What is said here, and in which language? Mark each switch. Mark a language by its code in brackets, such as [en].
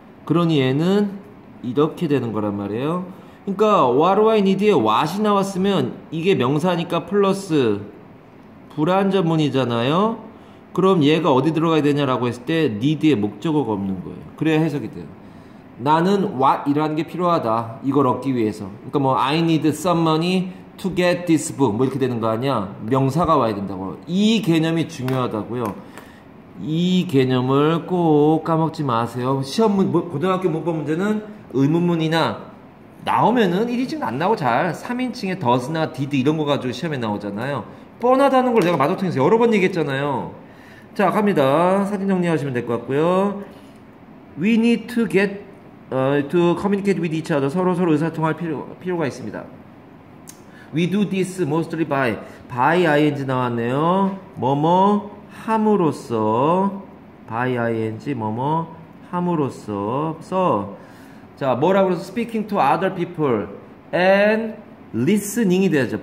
[ko] 그러니 얘는 이렇게 되는 거란 말이에요. 그러니까 [en] what do I need [ko] 에 what이 나왔으면 이게 명사니까 플러스 불완전문이잖아요. 그럼 얘가 어디 들어가야 되냐라고 했을 때 need의 목적어가 없는 거예요. 그래야 해석이 돼요. 나는 what이라는 게 필요하다. 이걸 얻기 위해서. [en] 그러니까 뭐 I need some money to get this book. [ko] 뭐 이렇게 되는 거 아니야? 명사가 와야 된다고. 이 개념이 중요하다고요. 이 개념을 꼭 까먹지 마세요. 고등학교 문법 문제는 의문문이나 나오면은 1인칭 안 나오고 잘 3인칭에 does나 did 이런 거 가지고 시험에 나오잖아요. 뻔하다는 걸 내가 마더튼에서 여러 번 얘기했잖아요. 자, 갑니다. 사진 정리하시면 될것 같고요. [en] We need to get to communicate with each other. [ko] 서로 의사소통할 필요가 있습니다. [en] We do this mostly by ing [ko] 나왔네요. 뭐뭐 함으로써 by ing 뭐뭐 함으로써 so 자, 뭐라고 해서 [en] speaking to other people and listening [ko] 이 되죠.